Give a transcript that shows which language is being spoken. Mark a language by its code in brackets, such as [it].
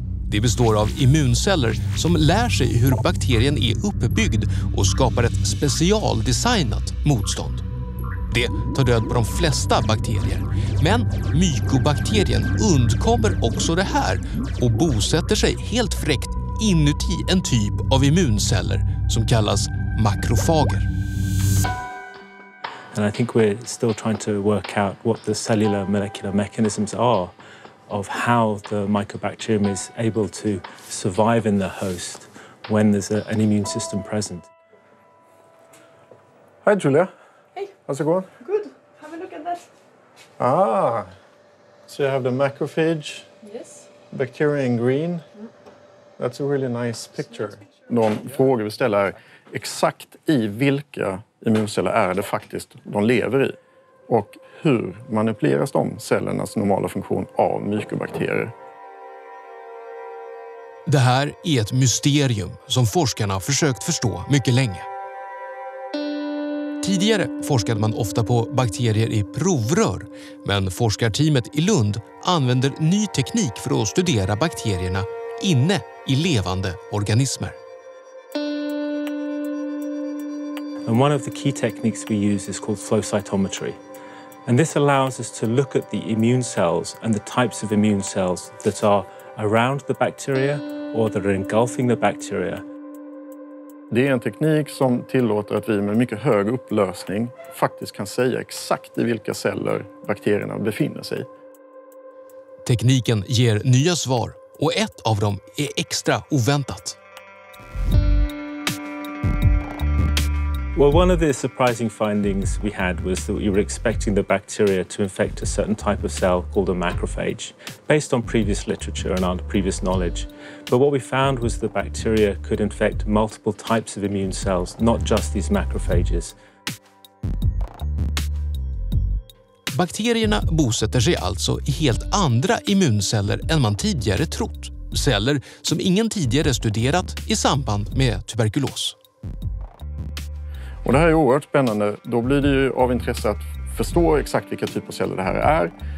[sv] Det består av immunceller som lär sig hur bakterien är uppbyggd och skapar ett specialdesignat motstånd. Det tar död på de flesta bakterier. Men mykobakterien undkommer också det här och bosätter sig helt fräckt inuti en typ av immunceller som kallas makrofager. [en] And I think we're still trying to work out what the cellular molecular mechanisms are of how the mycobacterium is able to survive in the host when there's an immune system present. Hi Julia. How's it going? Good. Have a look at that. Ah. So you have the macrophage. Yes. Bacteria in green. Mm. That's a really nice picture. [sv] Någon fråga vi ställer är exakt i vilka immunceller är det faktiskt de lever i? Och hur manipuleras de cellernas normala funktion av mykobakterier? Det här är ett mysterium som forskarna har försökt förstå mycket länge. Tidigare forskade man ofta på bakterier i provrör, men forskarteamet i Lund använder ny teknik för att studera bakterierna inne i levande organismer. [en] And one of the key techniques we use is called flow cytometry. And this allows us to look at the immune cells and the types of immune cells that are around the bacteria or that are engulfing the bacteria. [sv] Det är en teknik som tillåter att vi med mycket hög upplösning faktiskt kan säga exakt i vilka celler bakterierna befinner sig. Tekniken ger nya svar och ett av dem är extra oväntat. [en] Well, one of the surprising findings we had was that we were expecting the bacteria to infect a certain type of cell called a macrophage, based on previous literature and our previous knowledge. But what we found was the bacteria could infect multiple types of immune cells, not just these macrophages. [sv] Bakterierna bosätter sig alltså i helt andra immunceller än man tidigare trott. Celler som ingen tidigare studerat i samband med tuberkulos. Och det här är oerhört spännande. Då blir det ju av intresse att förstå exakt vilka typer av celler det här är.